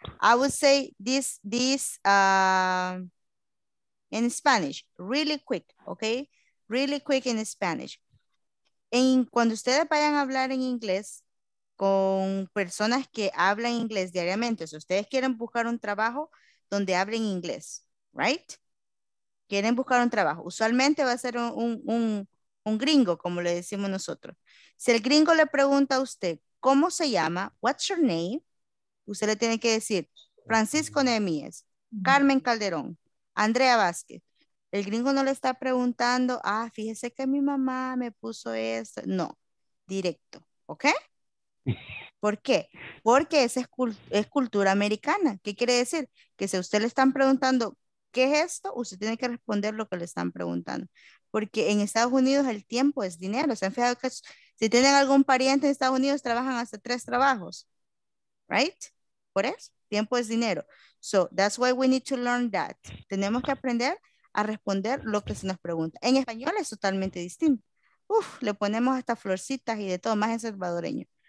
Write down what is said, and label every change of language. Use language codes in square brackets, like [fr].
[en] I would say this in Spanish, really quick, okay? Really quick in Spanish. [es] Cuando ustedes vayan a hablar en inglés, con personas que hablan inglés diariamente. Si ustedes quieren buscar un trabajo donde hablen inglés, right? Quieren buscar un trabajo. Usualmente va a ser un, un, un gringo, como le decimos nosotros. Si el gringo le pregunta a usted, ¿cómo se llama? [en] What's your name? [es] Usted le tiene que decir, Francisco Nemíez, Carmen Calderón, Andrea Vázquez. El gringo no le está preguntando, ah, fíjese que mi mamá me puso esto. No, directo, ¿ok? ¿Por qué? Porque esa es cultura americana. ¿Qué quiere decir? Que si a usted le están preguntando, ¿qué es esto? Usted tiene que responder lo que le están preguntando. Porque en Estados Unidos el tiempo es dinero. ¿Se han fijado que si tienen algún pariente en Estados Unidos, trabajan hasta 3 trabajos? ¿Right? ¿Por eso? Tiempo es dinero. [en] So, that's why we need to learn that. [es] Tenemos que aprender a responder lo que se nos pregunta. En español es totalmente distinto. Uf, le ponemos hasta florcitas y de todo, más en salvadoreño.